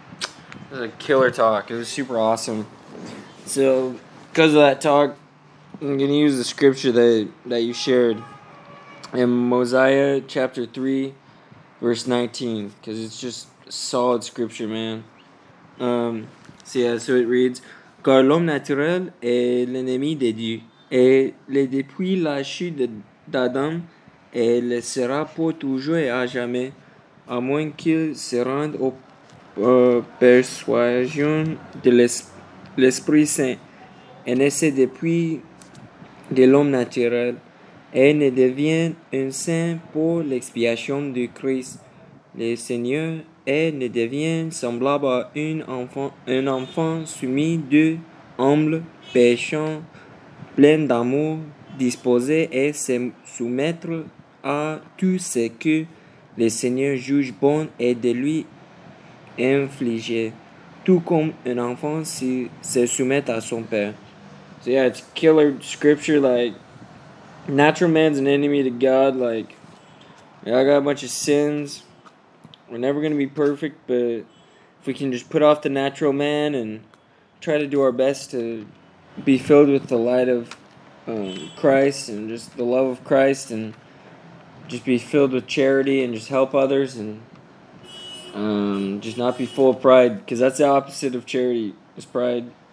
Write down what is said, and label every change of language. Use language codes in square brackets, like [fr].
[en] It was a killer talk. It was super awesome. So, because of that talk, I'm going to use the scripture that you shared in Mosiah chapter 3, verse 19, because it's just solid scripture, man. So it reads, [fr] Car l'homme naturel est l'ennemi de Dieu, et le depuis la chute d'Adam, et le sera pour toujours et à jamais, à moins qu'il se rende aux persuasions de l'Esprit Saint, et ne se dépouille de l'homme naturel, et ne devient un saint pour l'expiation du Christ, le Seigneur, et ne devient semblable à un enfant soumis de humble, péchant, plein d'amour, disposé à se soumettre à tout ce que le Seigneur juge bon et de lui infliger, tout comme un enfant se soumet à son père. [en] So yeah, it's killer scripture, like, natural man's an enemy to God, like, yeah, I got a bunch of sins, we're never going to be perfect, but if we can just put off the natural man and try to do our best to be filled with the light of Christ and just the love of Christ and just be filled with charity and just help others and just not be full of pride, because that's the opposite of charity, is pride.